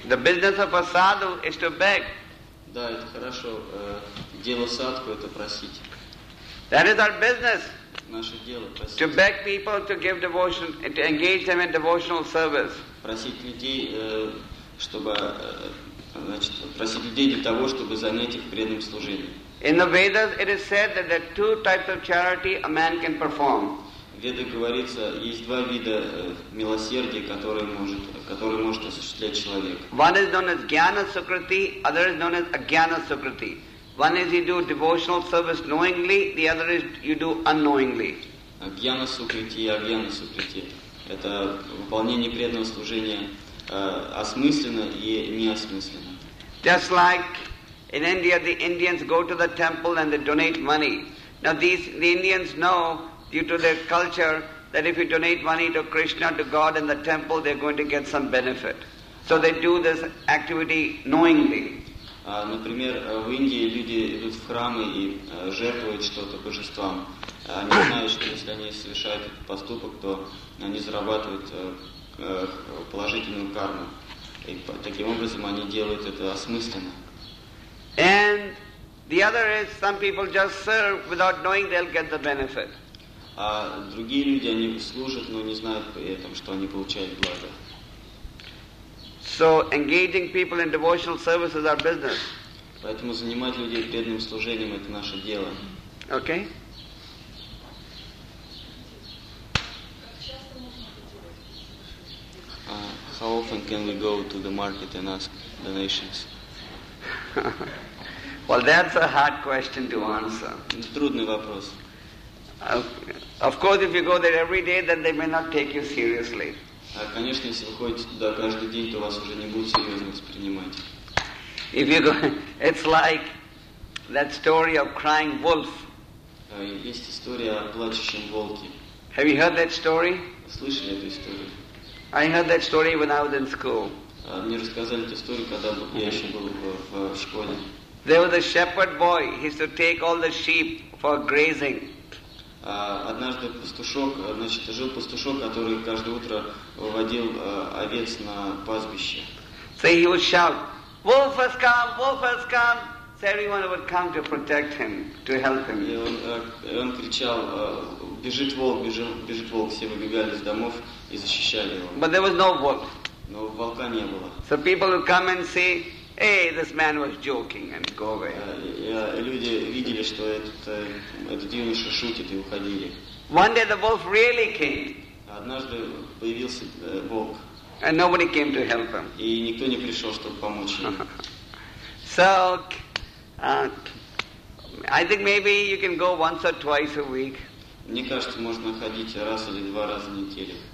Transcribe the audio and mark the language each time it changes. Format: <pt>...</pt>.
<en>The business of a sadhu is to beg.</en> <ru>Да, это хорошо. Дело садху это просить.</ru> <en>That is our business.</en> <ru>Наше дело просить.</ru> <en>To beg people to give devotion and to engage them in devotional service.</en> <ru>Просить людей, чтобы, значит, просить людей для того, чтобы занять их преданным служением.</ru> <en>In the Vedas, it is said that there are two types of charity a man can perform.</en> <ru>В Ведах говорится, есть два вида милосердия, которые может осуществлять человек.</ru> <en>One is known as Jnana Sukriti, other is known as Ajnana Sukriti. One is you do devotional service knowingly, the other is you do unknowingly.</en> <ru>Jnana Sukriti и Ajnana Sukriti. Это выполнение преданного служения осмысленно и неосмысленно.</ru> <en>Just like in India, the Indians go to the temple and they donate money. Now the Indians know, due to their culture, that if you donate money to Krishna, to God in the temple, they're going to get some benefit. So they do this activity knowingly.</en> <ru>Например, в Индии люди идут в храмы и жертвуют что-то божествам. Они знают, что если они совершают этот поступок, то они зарабатывают положительную карму. И таким образом они делают это осмысленно.</ru> <en>And the other is some people just serve without knowing they'll get the benefit.</en> <ru>А другие люди, они служат, но не знают при этом, что они получают благо.</ru> <en>So engaging people in devotional service is our business.</en> <ru>Поэтому занимать людей преданным служением – это наше дело.</ru> <en>Okay. How often can we go to the market and ask donations? Well, that's a hard question to answer.</en> <ru>Это трудный вопрос.</ru> <en>Of course, if you go there every day, then they may not take you seriously.</en> <ru>Конечно, если вы ходите туда каждый день, то вас уже не будут серьезно воспринимать.</ru> <en>If you go, it's like that story of crying wolf.</en> <ru>Есть история о плачущем волке.</ru> <en>Have you heard that story?</en> <ru>Слышали эту историю?</ru> <en>I heard that story when I was in school.</en> <ru>Мне рассказали эту историю, когда я еще был в школе.</ru> <en>There was a shepherd boy. He used to take all the sheep for grazing.</en> <ru>Однажды пастушок, значит, жил пастушок, который каждое утро выводил овец на пастбище.</ru> <en>So he would shout, "Wolf has come! Wolf has come!" So everyone would come to protect him, to help him.</en> <ru>И он кричал, "Бежит волк! Бежит волк!" Все выбегали из домов и защищали его.</ru> <en>But there was no wolf.</en> <ru>Но волка не было.</ru> <en>So people would come and see. Hey, this man was joking, and go away.</en> <ru>Люди видели, что этот юноша шутит, и уходили.</ru> <en>One day the wolf really came.</en> <ru>Однажды появился волк.</ru> <en>And nobody came to help him.</en> <ru>И никто не пришел, чтобы помочь ему.</ru> <en>So, I think maybe you can go once or twice a week.</en> <ru>Мне кажется, можно ходить раз или два раза в неделю.</ru>